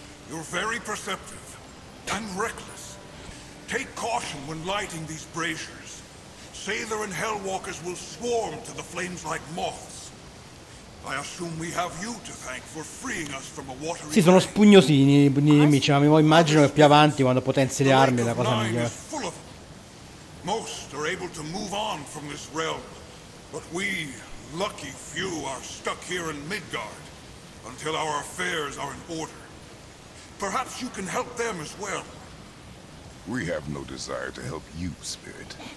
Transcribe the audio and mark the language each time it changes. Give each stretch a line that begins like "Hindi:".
English: You're very perceptive and reckless. Take caution when lighting these braziers. Sather and Hellwalkers will swarm to the flames like moths. I assume we have you to thank for freeing us from a watery
Italian: Sì, sono spugnosini i nemici, ma mi immagino che più avanti, quando potenzi le armi, la cosa migliore.
English: Most are able to move on from this realm, but we lucky few are stuck here in Midgard. Until our affairs are in order. Perhaps you can help them as well. We have no desire to help you, Spirit.